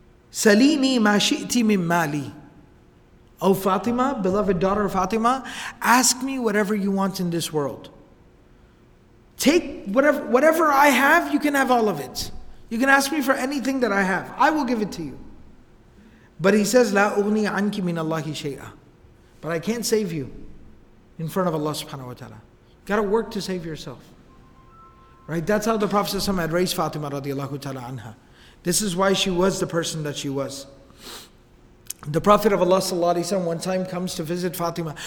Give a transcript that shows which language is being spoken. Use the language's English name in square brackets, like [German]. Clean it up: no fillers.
[Arabic] Salini ma shi'ti min mali. [English] Oh, Fatima, beloved daughter of Fatima, ask me whatever you want in this world. Take whatever I have, you can have all of it. You can ask me for anything that I have. I will give it to you. But he says, [Arabic] لا أغني عنك من الله شيئا. [English] But I can't save you in front of Allah subhanahu wa ta'ala. You gotta work to save yourself. Right? That's how the Prophet ﷺ had raised Fatima radiallahu ta'ala anha. This is why she was the person that she was. The Prophet of Allah sallallahu alayhi wa sallam one time comes to visit Fatima.